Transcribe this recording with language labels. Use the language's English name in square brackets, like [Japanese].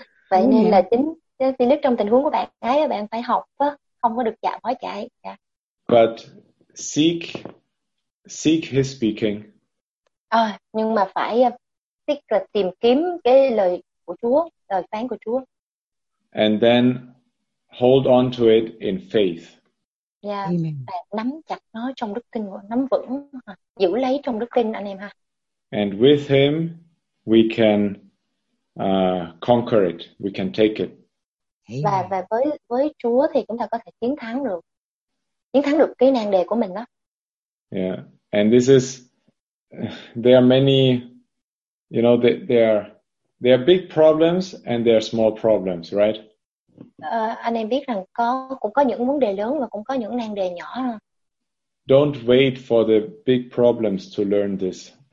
[Vietnamese] Vậy nên là chính cái đức trong tình huống của bạn ấy, bạn phải học đó, không có được chạy bỏ chạy. [English] Yeah. But seek his speaking. [Vietnamese] Nhưng mà phải tích là tìm kiếm cái lời của Chúa, lời phán của Chúa. [English] And then hold on to it in faith. Yeah. Amen. [Vietnamese] Nắm chặt nó trong đức tin, nắm vững, giữ lấy trong đức tin anh em ha. [English] And with him we can conquer it, we can take it. Amen. [Vietnamese] Và với Chúa thì chúng ta có thể chiến thắng được. Chiến thắng được cái nan đề của mình đó. [English] Yeah. And this is there are many, you know, there are big problems and there are small problems, right? [Vietnamese] Anh em biết rằng cũng có những vấn đề lớn và cũng có những nan đề nhỏ. [English] Don't wait for the big problems to learn this.